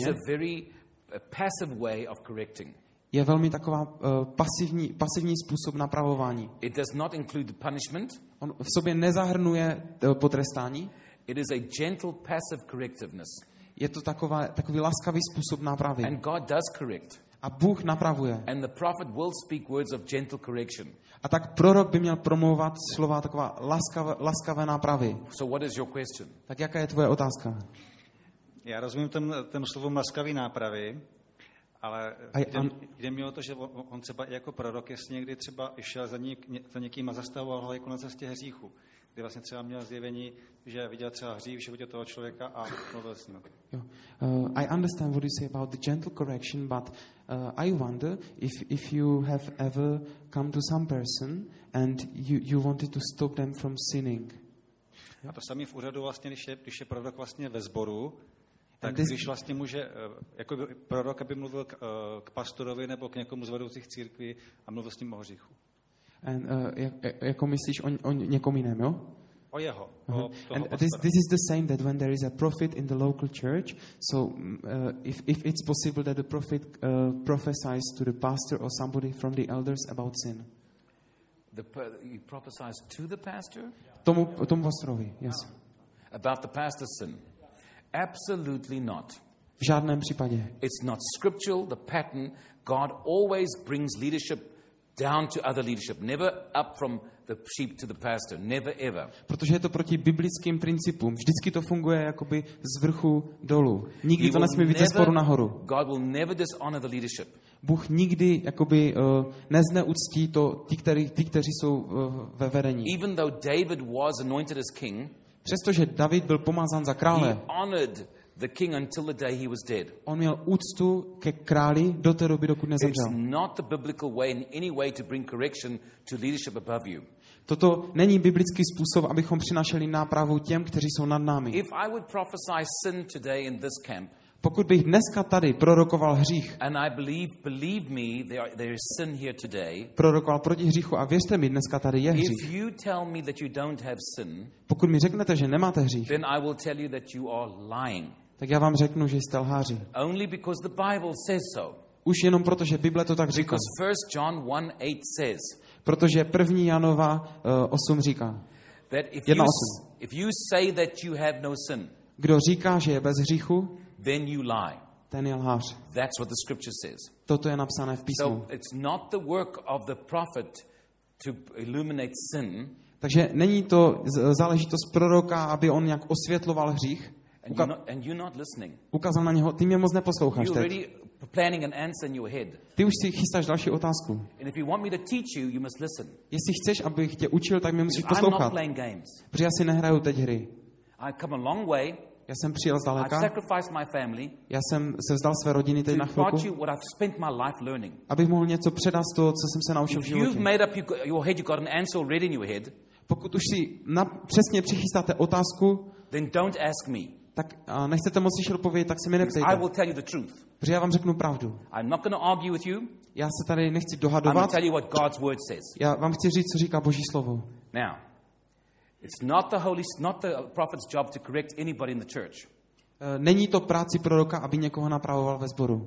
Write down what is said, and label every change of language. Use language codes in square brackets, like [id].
[en] Is a very passive way of correcting. [cs] Je velmi taková pasivní způsob napravování. [en] It does not include the punishment. [cs] On v sobě nezahrnuje potrestání. [en] It is a gentle passive correctiveness. [cs] je to takový laskavý způsob nápravy. [en] And God does correct. [cs] A Bůh napravuje. [en] And the prophet will speak words of gentle correction. [cs] A tak prorok by měl promlouvat slova taková laskavé nápravy. [en] So what is your question? [cs] Tak jaká je tvoje otázka? Já rozumím tomu slovu laskavý nápravy, ale jde mi o to, že on třeba jako prorok, jestli někdy třeba išel za někým a zastavoval ho jako na cestě hříchu, kdy vlastně třeba měl zjevení, že viděl třeba hřích v životě toho člověka a mluvil s ním. [en] I understand what you say about the gentle correction, but I wonder if you have ever come to some person and you wanted to stop them from sinning. [cs] A to samý v úřadu vlastně, když je prorok vlastně ve sboru, tak this, když vlastně může, jako by prorok, aby mluvil k pastorovi nebo k někomu z vedoucích církví a mluvil s ním o hříchu. And, jako myslíš o někom jiném, jo? O jeho, o toho pastora. [en] And this is the same that when there is a prophet in the local church, so if it's possible that the prophet prophesies to the pastor or somebody from the elders about sin. He prophesies to the pastor? [cs] Tomu pastorovi, yes. [en] About the pastor's sin. Absolutely not. [cs] V žádném případě. [en] It's not scriptural, the pattern. God always brings leadership down to other leadership, never up from the sheep to the pastor, never ever. [cs] Protože je to proti biblickým principům. Vždycky to funguje jakoby z vrchu dolů. Nikdy to nesmí být ze sporu nahoru. [en] God will never dishonor the leadership. [cs] Bůh nikdy jakoby nezneuctí to ti, kteří jsou ve vedení. [en] Even though David was anointed as king, [cs] přestože David byl pomazán za krále, [en] the king until the day he was dead. [cs] On měl úctu ke králi do té doby, dokud nezemřel. [en] It's not the biblical way in any way to bring correction to leadership above you. [cs] Toto není biblický způsob, abychom přinášeli nápravu těm, kteří jsou nad námi. [en] If I would prophesy sin today in this camp, [cs] pokud bych dneska tady prorokoval hřích, [en] and I believe me, there is sin here today, [cs] prorokoval proti hříchu a věřte mi, dneska tady je hřích, [en] if you tell me that you don't have sin, [cs] pokud mi řeknete, že nemáte hřích, [en] then I will tell you that you are lying. [cs] Tak já vám řeknu, že jste lháři. [en] Only because the Bible says so. [cs] Už jenom proto, že Bible to tak říká. [en] Because 1 John 1:8 says. [cs] Protože 1. Janova 8 říká. [en] That if you say that you have no sin, [cs] kdo říká, že je bez hříchu, [en] then you lie. [cs] Ten je lhář. [en] That's what the scripture says. [cs] Toto je napsané v písmu. [en] So it's not the work of the prophet to illuminate sin. [cs] Takže není to záležitost proroka, aby on nějak osvětloval hřích. [en] And you're not listening. [cs] Ukázal na něho, ty mě moc neposloucháš teď. [en] Planning an answer in your head. [cs] Ty už si chystáš další otázku. [en] And if you want me to teach you, you must listen. [cs] Jestli chceš, abych tě učil, tak mě musíš poslouchat. [en] I'm not playing games. [cs] Protože já si nehraju teď hry. [en] I've come a long way. [cs] Já jsem přijel z daleka. [en] I've sacrificed my family. [cs] Já jsem se vzdal své rodiny teď na chvilku. [en] To teach you what I've spent my life learning. [cs] Abych mohl něco předat z toho, co jsem se naučil [en] if [cs] v životě. [en] You've made up your head, you've got an answer already in your head. [cs] Pokud už si přesně přichystáte otázku, [en] then don't ask me. [cs] Tak nechcete moc slyšet odpověď, tak se mi neptejte. [en] I will tell you the truth. [cs] Protože já vám řeknu pravdu. [en] I'm not going to argue with you. [cs] Já se tady nechci dohadovat. [en] I'm tell you what God's word says. [cs] Já vám chci říct, co říká Boží slovo. [en] Now, it's not the holy, not the prophet's job to correct anybody in the church. [cs] Není to práci proroka, aby někoho napravoval ve sboru.